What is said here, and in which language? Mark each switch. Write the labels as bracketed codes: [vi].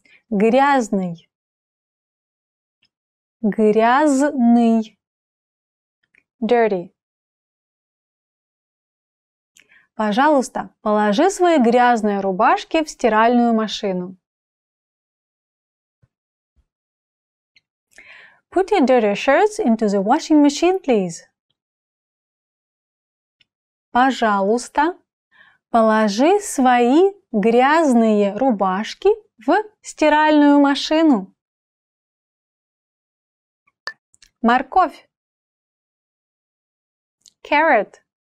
[ru] Грязный. Грязный. [en] Dirty. [ru] Пожалуйста, положи свои грязные рубашки в стиральную машину. [en] Put your dirty shirts into the washing machine, please. [ru] Пожалуйста, положи свои грязные рубашки в стиральную машину. Морковь. [en] Carrot.